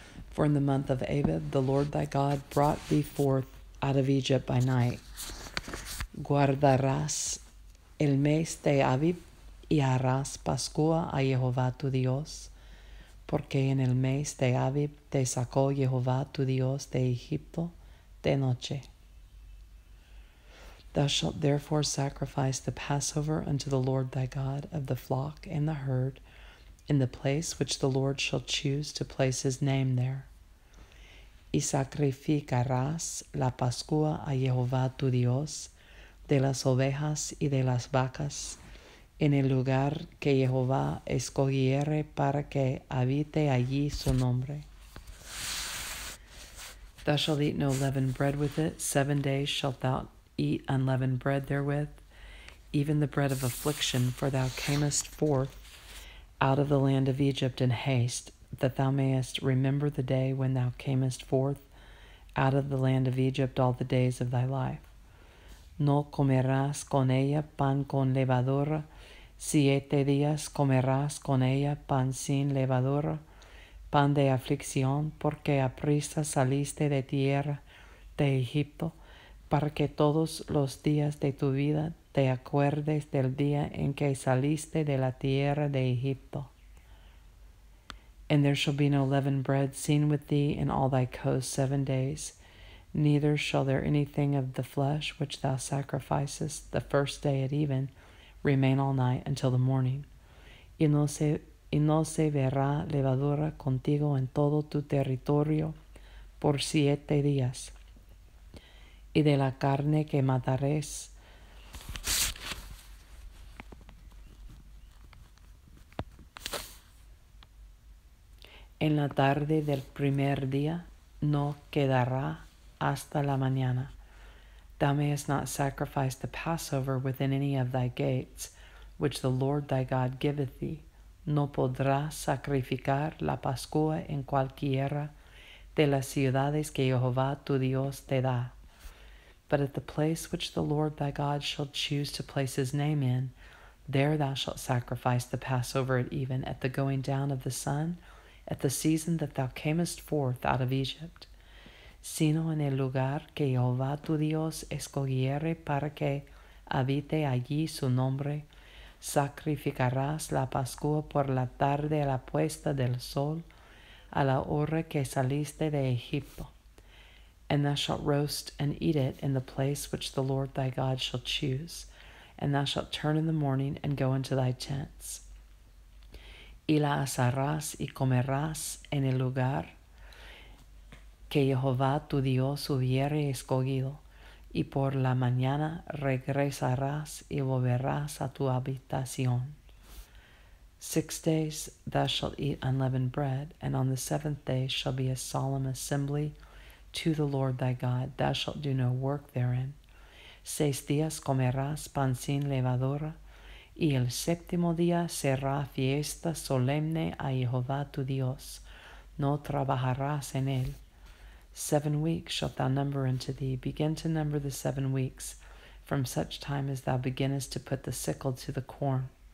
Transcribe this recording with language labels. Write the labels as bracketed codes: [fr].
[en] For in the month of Abib, the Lord thy God brought thee forth out of Egypt by night. [es] Guardarás el mes de Abib, y harás Pascua a Jehová tu Dios. Porque en el mes de Abib te sacó Jehová tu Dios de Egipto de noche. [en] Thou shalt therefore sacrifice the Passover unto the Lord thy God of the flock and the herd, in the place which the Lord shall choose to place his name there. [es] Y sacrificarás la Pascua a Jehová tu Dios de las ovejas y de las vacas, en el lugar que Jehová escogiere para que habite allí su nombre. [en] Thou shalt eat no leavened bread with it. 7 days shalt thou eat unleavened bread therewith, even the bread of affliction, for thou camest forth out of the land of Egypt in haste, that thou mayest remember the day when thou camest forth out of the land of Egypt all the days of thy life. [es] No comerás con ella pan con levadura. 7 días comerás con ella pan sin levadura, pan de aflicción, porque aprisa saliste de tierra de Egipto, para que todos los días de tu vida te acuerdes del día en que saliste de la tierra de Egipto. [en] And there shall be no leavened bread seen with thee in all thy coasts 7 days, neither shall there anything of the flesh which thou sacrificest the first day at even remain all night until the morning. [es] Y no se verá levadura contigo en todo tu territorio por 7 días. Y de la carne que matares, en la tarde del primer día no quedará hasta la mañana. [en] Thou mayest not sacrifice the Passover within any of thy gates, which the Lord thy God giveth thee. [es] No podrás sacrificar la Pascua en cualquiera de las ciudades que Jehová tu Dios te da. [en] But at the place which the Lord thy God shall choose to place his name in, there thou shalt sacrifice the Passover at even, at the going down of the sun, at the season that thou camest forth out of Egypt. [es] Sino en el lugar que Jehová tu Dios escogiere para que habite allí su nombre, sacrificarás la Pascua por la tarde a la puesta del sol, a la hora que saliste de Egipto. [en] And thou shalt roast and eat it in the place which the Lord thy God shall choose, and thou shalt turn in the morning and go into thy tents. [es] Y la asarás y comerás en el lugar que Jehová tu Dios hubiere escogido, y por la mañana regresarás y volverás a tu habitación. [en] 6 days thou shalt eat unleavened bread, and on the 7th day shall be a solemn assembly to the Lord thy God. Thou shalt do no work therein. [es] 6 días comerás pan sin levadura, y el 7º día será fiesta solemne a Jehová tu Dios. No trabajarás en él. [en] 7 weeks shalt thou number unto thee. Begin to number the 7 weeks, from such time as thou beginnest to put the sickle to the corn.